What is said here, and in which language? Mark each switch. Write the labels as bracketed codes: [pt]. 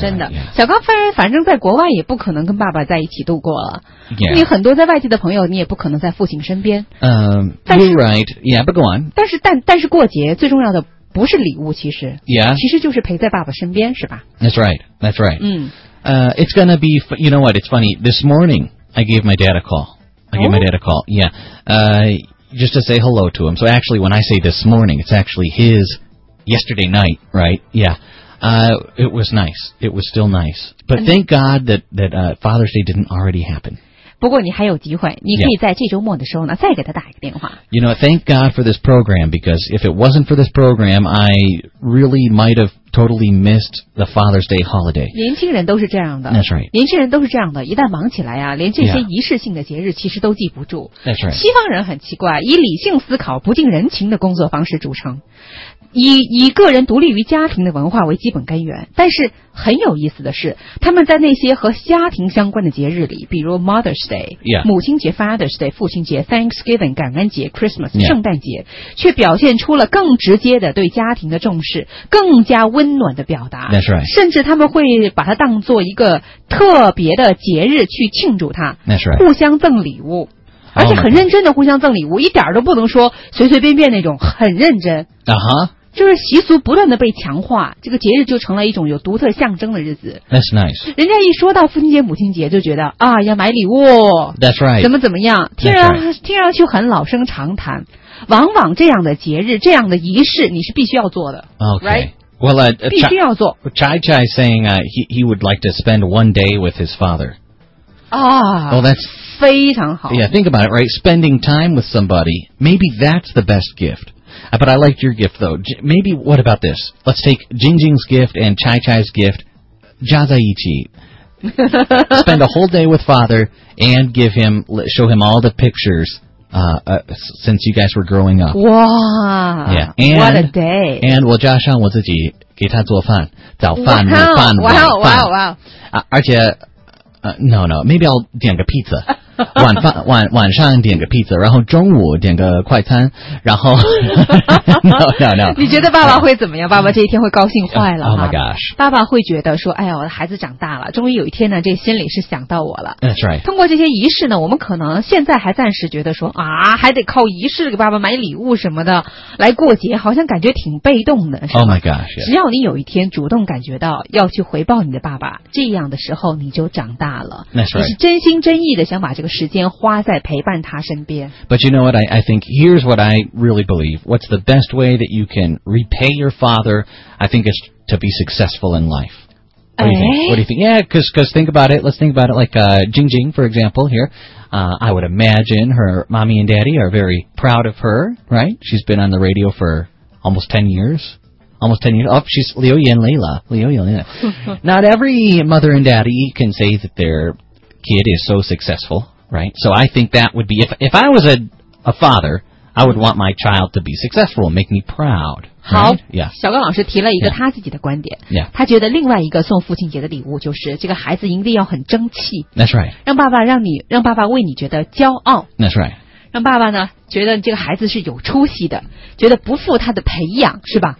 [zh] 真的， [en] right, yeah. [zh] 小高夫人，反正在国外也不可能跟爸爸在一起度过了。 [en] Yeah. [zh] 你很多在外地的朋友，你也不可能在父亲身边。 [en] You're right. Yeah, but go on. [zh] 但是过节最重要的不是礼物，其实。 [en] Yeah. [zh] 其实就是陪在爸爸身边，是吧？ [en] That's right. That's right. [zh] 嗯。 [en] It's gonna be, you know what, it's funny, this morning, I gave my dad a call. Yeah. Just to say hello to him. So actually, when I say this morning, it's actually his yesterday night, right? Yeah. It was nice. It was still nice. But thank God that Father's Day didn't already happen. [zh] 不过你还有机会，你可以在这周末的时候呢，再给他打一个电话。 [en] You know, thank God for this program, because if it wasn't for this program, I really might have totally missed the Father's Day holiday. [zh] 年轻人都是这样的。 [en] That's right. [zh] 年轻人都是这样的，一旦忙起来啊，连这些仪式性的节日其实都记不住。 [en] That's right. [zh] 西方人很奇怪，以理性思考、不近人情的工作方式著称，以个人独立于家庭的文化为基本根源，但是很有意思的是，他们在那些和家庭相关的节日里，比如 Mother's Day、 [en] yeah. [zh] 母亲节 Father's Day 父亲节 Thanksgiving 感恩节 Christmas、 [en] yeah. [zh] 圣诞节，却表现出了更直接的对家庭的重视，更加温暖的表达。 [en] That's right. [zh] 甚至他们会把它当作一个特别的节日去庆祝它。 [en] That's right. [zh] 互相赠礼物，而且很认真的互相赠礼物，一点都不能说随随便便那种，很认真。啊哈。就是习俗不断的被强化，这个节日就成了一种有独特象征的日子。 [en] That's nice. [zh] 人家一说到父亲节、母亲节，就觉得啊，要买礼物。 [en] That's right. [zh] 怎么怎么样，听上去很老生常谈。往往这样的节日、这样的仪式，你是必须要做的。 [en] Okay. Right? Well, [zh] 必须要做。 [en] Chai Chai saying he would like to spend one day with his father. Ah. Well, that's [zh] 非常好。 [en] Yeah, think about it, right? Spending time with somebody, maybe that's the best gift. But I liked your gift, though. Maybe, what about this? Let's take Jingjing's gift and Chai Chai's gift, Jazaichi. Spend a whole day with Father and show him all the pictures since you guys were growing up. Wow! Yeah. What a day! [zh] And 我加上我自己给他做饭，早饭、午饭、晚饭。 [en] Wow. [zh] 而且 [en] no, maybe I'll [zh] 点个 [en] pizza. [zh] 晚上点个 pizza, 然后中午点个快餐，然后no. 你觉得爸爸会怎么样？爸爸这一天会高兴坏了。 [en] Oh my gosh. [zh] 爸爸会觉得说，哎呀，我的孩子长大了，终于有一天呢，这心里是想到我了。 [en] That's right. [zh] 通过这些仪式呢，我们可能现在还暂时觉得说，啊，还得靠仪式给爸爸买礼物什么的来过节，好像感觉挺被动的。 [en] Oh my gosh.、Yeah. [zh] 只要你有一天主动感觉到要去回报你的爸爸，这样的时候你就长大了。 [en] That's right. [zh] 你是真心真意的想把这个时间花在陪伴他身边。 [en] But you know what? I think here's what I really believe. What's the best way that you can repay your father? I think it's to be successful in life. What do you think? What do you think? Yeah, because think about it. Let's think about it. Like Jingjing, for example, here. I would imagine her mommy and daddy are very proud of her, right? She's been on the radio for almost 10 years. Oh, she's Liu Yan Leila. Not every mother and daddy can say that their kid is so successful, right? So I think that would be, if I was a father, I would want my child to be successful and make me proud. [zh] 好、 [en] yeah. [zh] 小高老师提了一个他自己的观点、 [en] yeah. [zh] 他觉得另外一个送父亲节的礼物就是这个孩子一定要很争气。 [en] That's right. [zh] 让爸爸为你觉得骄傲。 [en] That's right. [zh] 让爸爸呢觉得这个孩子是有出息的，觉得不负他的培养，是吧